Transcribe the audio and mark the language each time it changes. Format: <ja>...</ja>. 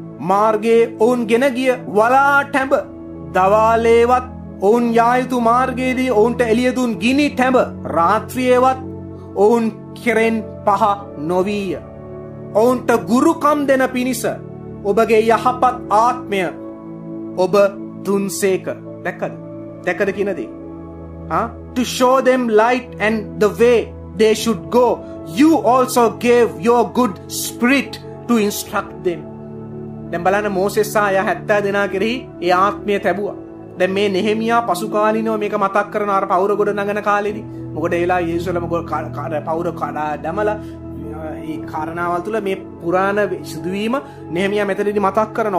<si>මාර්ගයේ ඔවුන් ගෙන ගිය වලා ටැඹ දවාලේවත්, ඔවුන් යා යුතු මාර්ගයේදී ඔවුන්ට එළිය දුන් ගිනි ටැඹ රාත්‍රියේවත් ඔවුන් කෙරෙන් පහ නොවීය. ඔවුන්ට ගුරුකම් දෙන පිණිස ඔබගේ යහපත් ආත්මය ඔබ දුන්සේක. දැක්කද? දැක්කද කියන දේ? හා</si> <en>to show them light and the way they should go, you also gave your good spirit to instruct them.</en> <si>දැන් බලන්න මෝසෙස් සායා 70 දෙනා කෙරෙහි ඒ ආත්මය තැබුවා. දැන් මේ නෙහෙමියා පසු කාලිනව මේක මතක් කරන අර පවුර ගොඩ නගන කාලෙදි, මොකද ඒ වෙලාවේ යේසුස්ලම පවුර කඩා දැමලා මේ කාරණාවල් තුල මේ පුරාණ සිදුවීම නෙහෙමියා මෙතනදී මතක් කරන.</si>